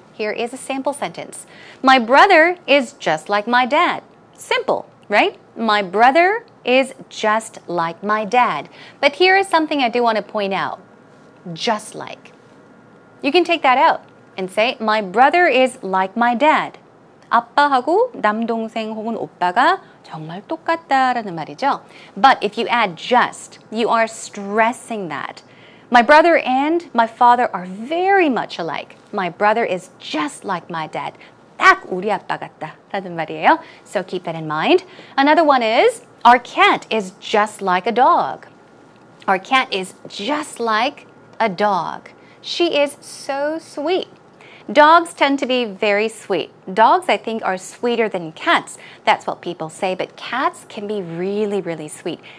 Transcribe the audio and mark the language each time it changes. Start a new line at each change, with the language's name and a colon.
English: Here is a sample sentence. My brother is just like my dad. Simple, right? My brother is just like my dad. But here is something I do want to point out. Just like. You can take that out and say, my brother is like my dad.
Korean: 아빠하고 남동생 혹은 오빠가 정말 똑같다라는 말이죠.
English: But if you add just, you are stressing that. My brother and my father are very much alike. My brother is just like my dad.
Korean: 딱 우리 아빠 같다라는 말이에요.
English: So keep that in mind. Another one is, our cat is just like a dog. Our cat is just like a dog. She is so sweet. Dogs tend to be very sweet. Dogs, I think, are sweeter than cats. That's what people say, but cats can be really, really sweet.